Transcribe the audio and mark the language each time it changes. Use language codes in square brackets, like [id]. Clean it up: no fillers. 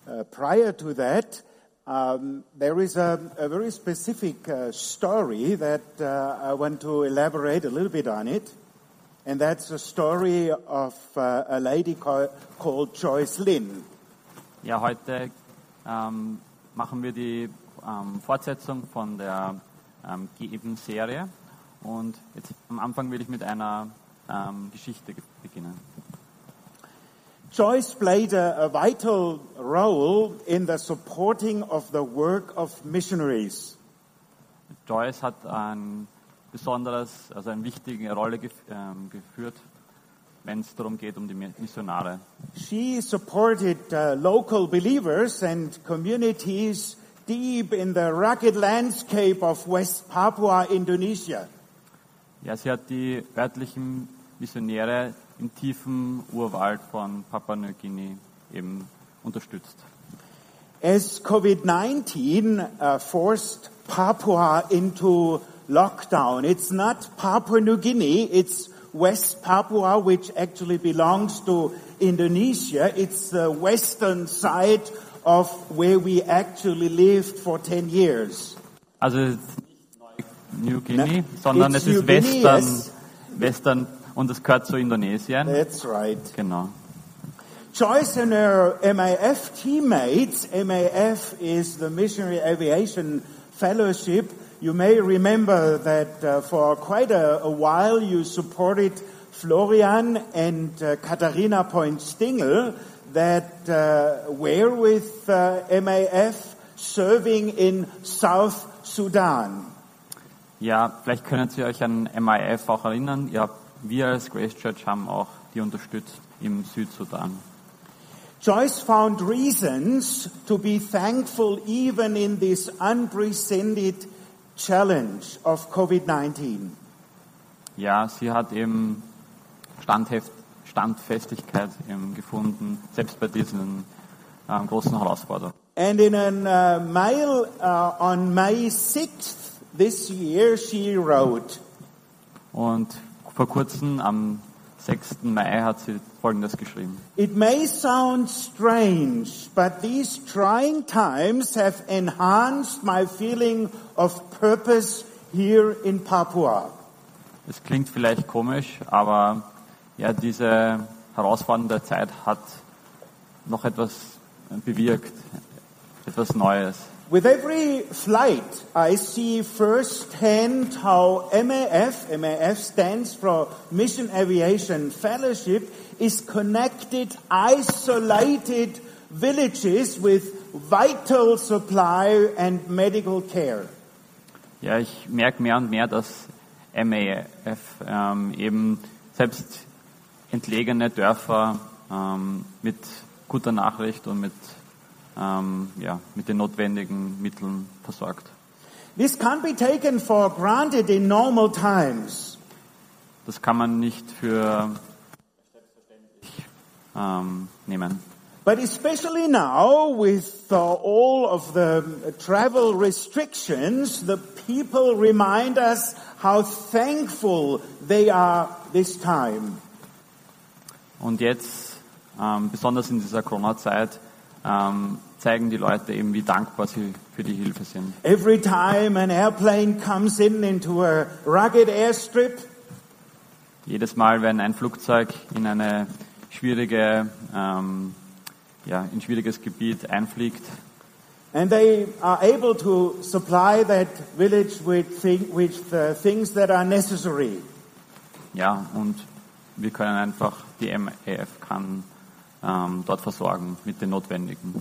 [en] Prior to that, there is a very specific story that I want to elaborate a little bit on it. And that's a story of a lady called Joyce Lynn. [de] Ja, heute machen wir die Fortsetzung von der Geben-Serie. Und jetzt am Anfang will ich mit einer Geschichte beginnen. [en] Joyce played a vital role in the supporting of the work of missionaries. [de] Joyce hat eine wichtige Rolle geführt, wenn es darum geht, um die Missionare. [en] She supported local believers and communities deep in the rugged landscape of West Papua, Indonesia. [de] Ja, sie hat die örtlichen Missionäre im tiefen Urwald von Papua-Neuguinea eben unterstützt. [en] As COVID-19 forced Papua into lockdown. It's not Papua New Guinea, it's West Papua, which actually belongs to Indonesia. It's the western side of where we actually lived for 10 years. Also, it's not New Guinea, [de] sondern [en] it's New Western, Guinea, yes. [de] Western, und es gehört zu Indonesien. [en] That's right. [de] Genau. [en] Joyce and her MAF teammates, MAF is the Missionary Aviation Fellowship. You may remember that for quite a while you supported Florian and Katharina Point-Stingel that were with MAF serving in South Sudan. [de] Ja, vielleicht könnt ihr euch an MAF auch erinnern. Ja, wir als Grace Church haben auch die unterstützt im Südsudan. [en] Joyce found reasons to be thankful even in this unprecedented challenge of COVID-19. [de] Ja, sie hat eben Standfestigkeit eben gefunden, selbst bei diesen großen Herausforderungen. [en] And in an mail on May 6th this year, she wrote. [de] Und vor kurzem, am 6. Mai, hat sie Folgendes geschrieben. [en] It may sound strange, but these trying times have enhanced my feeling of purpose here in Papua. [de] Es klingt vielleicht komisch, aber ja, diese herausfordernde Zeit hat noch etwas bewirkt, etwas Neues. [en] With every flight, I see firsthand how MAF stands for Mission Aviation Fellowship, is connected isolated villages with vital supply and medical care. [de] Ja, ich merke mehr und mehr, dass MAF eben selbst entlegene Dörfer mit guter Nachricht und mit ja, mit den notwendigen Mitteln versorgt. [en] This can't be taken for granted in normal times. [de] Das kann man nicht für selbstverständlich nehmen. [en] But especially now with all of the travel restrictions, the people remind us how thankful they are this time. [de] Und jetzt, besonders in dieser Corona-Zeit, zeigen die Leute eben, wie dankbar sie für die Hilfe sind. [en] Every time an airplane comes into a rugged airstrip, [de] jedes Mal, wenn ein Flugzeug in eine schwierige, in schwieriges Gebiet einfliegt, [en] and they are able to supply that village with the things that are necessary. [de] Ja, und wir können einfach, die MAF kann dort versorgen mit den Notwendigen.